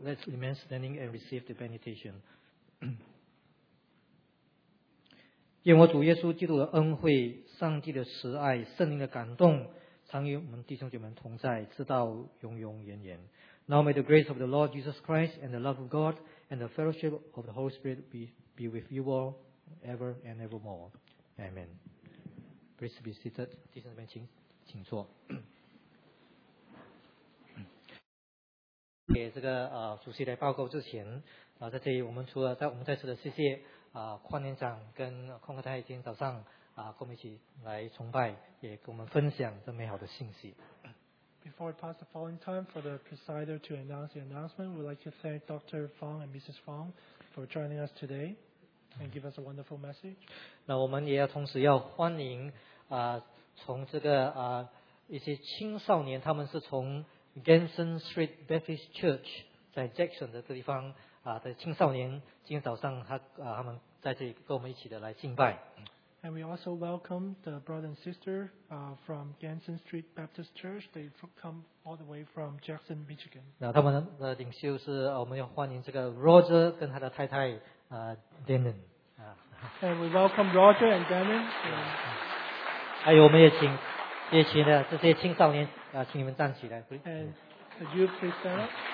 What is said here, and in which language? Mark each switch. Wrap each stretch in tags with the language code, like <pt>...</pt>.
<en>Let's remain standing and receive the benediction.</en> <zh>愿我主耶稣基督的恩惠、上帝的慈爱、圣灵的感动，常与我们弟兄姐妹同在，直到永永远远。</zh> <en>Now may the grace of the Lord Jesus Christ and the love of God and the fellowship of the Holy Spirit be with you all ever and evermore. Amen. Please be seated.</en> <zh>弟兄姐妹，请坐。给这个主席来报告之前，在这里我们除了在我们再次的谢谢邝年长跟邝克泰今天早上跟我们一起来崇拜，也跟我们分享这美好的信息。</zh> <en>Before I pass the following time for the presider to announce the announcement, we'd like to thank Dr. Fong and Mrs. Fong for joining us today and give us a wonderful message.</en> <zh>那我们也要同时要欢迎从这个一些青少年，他们是从Ganson Street Baptist Church 在 Jackson 的这地方的青少年，今天早上他们在这里跟我们一起的来敬拜。</zh> <en>And we also welcome the brother and sister from Ganson Street Baptist Church. They come all the way from Jackson, Michigan.</en> <zh>那他们的领袖是我们要欢迎这个 Roger 跟他的太太Dannon.</zh> <en>And we welcome Roger and Dannon.</en> <zh>还有我们也请的这些青少年。请你们站起来。</zh> <en>And could you please stand up?</en>